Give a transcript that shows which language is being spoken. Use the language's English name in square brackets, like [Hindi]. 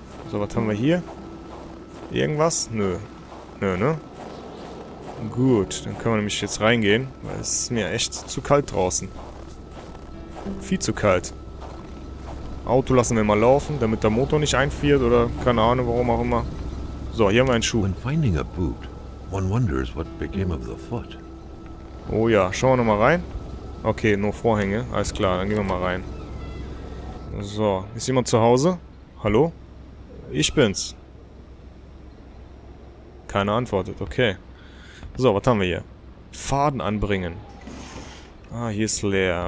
[German] So, was haben wir hier? Irgendwas? Nö. Nö, ne? Gut, dann können wir nämlich jetzt reingehen, weil es ist mir echt zu kalt draußen. Viel zu kalt. Auto lassen wir mal laufen, damit der Motor nicht einfriert oder keine Ahnung, warum auch immer. So, hier haben wir einen Schuh. [English] When finding a boot, one wonders what became of the foot. [German] Oh ja, schauen wir nochmal rein. Okay, nur Vorhänge. Alles klar, dann gehen wir mal rein. So, ist jemand zu Hause? Hallo? Ich bin's. Keiner antwortet, okay. So, was haben wir hier? Faden anbringen. Ah, hier ist leer.